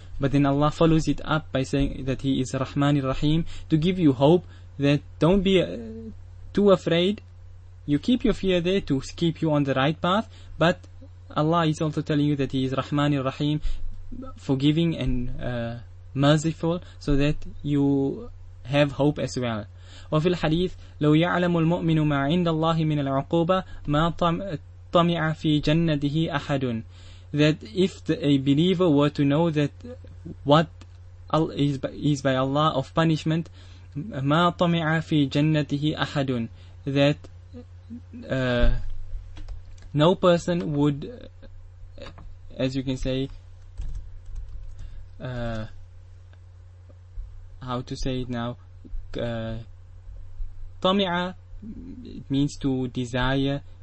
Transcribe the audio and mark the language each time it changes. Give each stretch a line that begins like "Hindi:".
English: But then Allah follows it up by saying that He is Rahman Rahim to give you hope, that don't be too afraid. You keep your fear there to keep you on the right path, but Allah is also telling you that He is Rahman Rahim, forgiving and merciful, so that you have hope as well.
Arabic: وفي الحديث لو يعلم المؤمن ما عند الله من العقوبة ما طمع في جنته أحد.
English: That if a believer were to know that what is by Allah of punishment,
Arabic: ما طمع في جنته أحد,
English: that no person would, as you can say, how to say it now, طمع, it means to desire,